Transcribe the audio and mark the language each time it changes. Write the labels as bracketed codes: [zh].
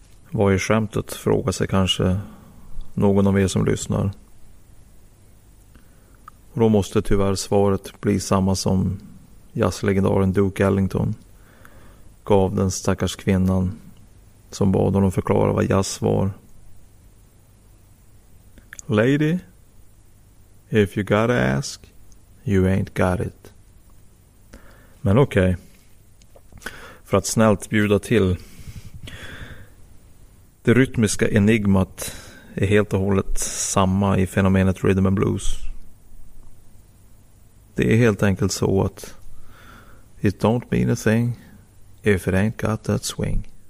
[sv] Vad är skämtet, frågar sig kanske någon av er som lyssnar. Och då måste tyvärr svaret bli samma som jazzlegendaren Duke Ellington gav den stackars kvinnan som bad honom förklara vad jazz var. [en] Lady, if you gotta ask, you ain't got it. [sv] Men okej, för att snällt bjuda till. Det rytmiska enigmat är helt och hållet samma i fenomenet rhythm and blues. Det är helt enkelt så att [en] it don't mean a thing if it ain't got that swing.